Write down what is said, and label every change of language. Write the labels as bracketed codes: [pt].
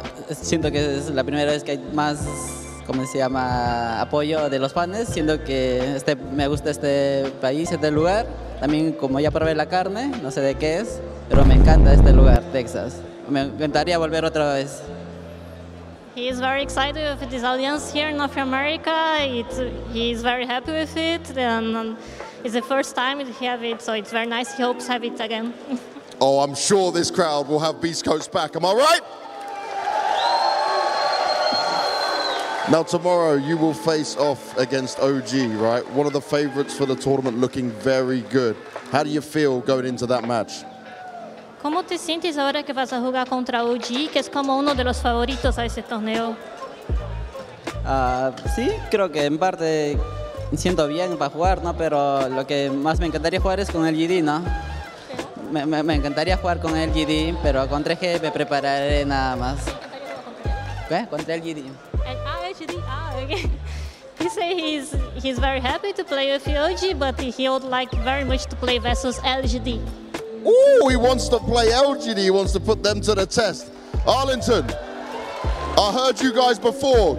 [es] Siento que es la primera vez que hay más, ¿cómo se llama?, apoyo de los fans. Siento que me gusta este país, este lugar. También, como ya probé la carne, no sé de qué es, pero me encanta este lugar, Texas. Me encantaría volver otra vez. [en] He is very excited with this audience here in North America. He is very happy with it. And it's the first time he has it, so it's very nice. He hopes to have it again. Oh, I'm sure this crowd will have Beast Coast back. Am I right? Now, tomorrow you will face off against OG, right? One of the favorites for the tournament, looking very good. How do you feel going into that match? [es] ¿Cómo te sientes ahora que vas a jugar contra OG, que es como uno de los favoritos a ese torneo? Sí, creo que en parte me siento bien para jugar, ¿no? Pero lo que más me encantaría jugar es con el GD, ¿no? Me encantaría jugar con el GD, pero contra EG me prepararé nada más. ¿Qué? Contra el GD. El AHD, ok. [en] He said he's very happy to play with OG, but he would like very much to play versus LGD. Ooh, he wants to play LGD, he wants to put them to the test. Arlington, I heard you guys before.